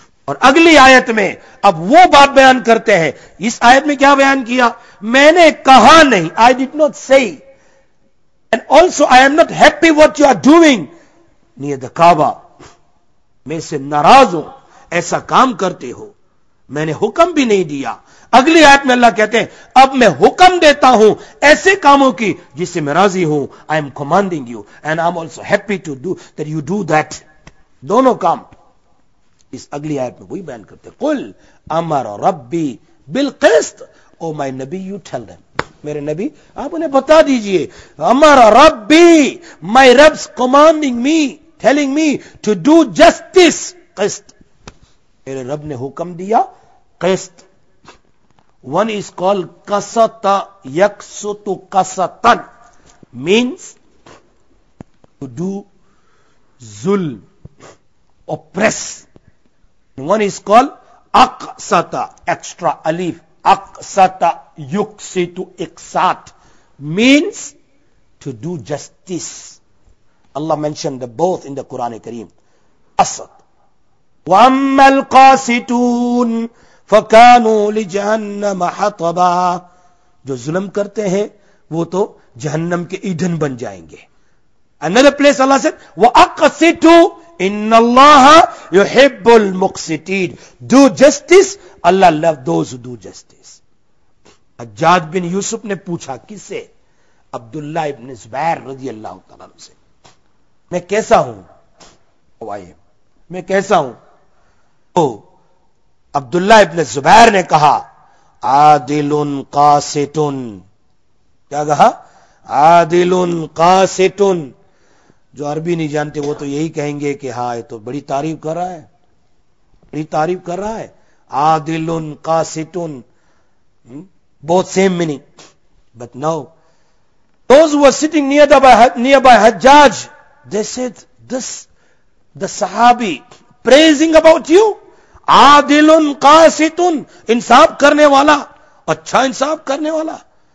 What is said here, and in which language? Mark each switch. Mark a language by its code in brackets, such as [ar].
[ur] اور اگلی آیت میں اب وہ بات بیان کرتے ہیں. اس آیت میں کیا بیان کیا, میں نے کہا نہیں, [en] I did not say, and also I am not happy what you are doing near the Kaaba. [ur] میں سے ناراض ہوں ایسا کام کرتے ہو, میں نے حکم بھی نہیں دیا. اگلی آیت میں اللہ کہتے ہیں اب میں حکم دیتا ہوں ایسے کاموں کی جس سے میں راضی ہوں. [en] I am commanding you and I am also happy to do that, you do that, [ur] دونوں کام. اس اگلی آیت میں وہی بیان کرتے ہیں [ar] قل امر ربی بالقسط. [en] oh my نبی you tell them, [ur] میرے نبی آپ انہیں بتا دیجئے ہمارا رب بھی, [en] My ربز commanding me, telling me to do justice, قسط. [ur] میرے رب نے حکم دیا [en] قسط. One is call قسط یکسط قسطن, مینس ٹو ڈو ظلم, اوپریس. ون از کال اقسط, ایکسٹرا الیف, اقسط یقسط اقساط, means to do justice. Allah mentioned the both in the Quran Kareem. [ur] اسط [ar] وَأَمَّا الْقَاسِتُونَ فَكَانُوا لِجَهَنَّمَ حَطَبًا, [ur] جو ظلم کرتے ہیں وہ تو جہنم کے ایدھن بن جائیں گے. [en] Another place Allah said [ar] وَأَقْسِتُوا إِنَّ اللَّهَ يُحِبُّ الْمُقْسِتِينَ, [en] do justice, Allah loves those who do justice. [ur] حجاج بن یوسف نے پوچھا کسے, عبداللہ ابن زبیر رضی اللہ تعالیٰ عنہ سے, میں کیسا ہوں, میں کیسا ہوں؟ تو عبداللہ ابن زبیر نے کہا عادل قاسط, کیا کہا, عادل قاسط. جو عربی نہیں جانتے وہ تو یہی کہیں گے کہ ہاں یہ تو بڑی تعریف کر رہا ہے, بڑی تعریف کر رہا ہے, عادل قاسط, [en] both same meaning. But now those who were sitting nearby Hajjaj, they said this, the sahabi praising about you, adilun qasitun, [ur] insaaf karne wala, acha insaaf karne wala.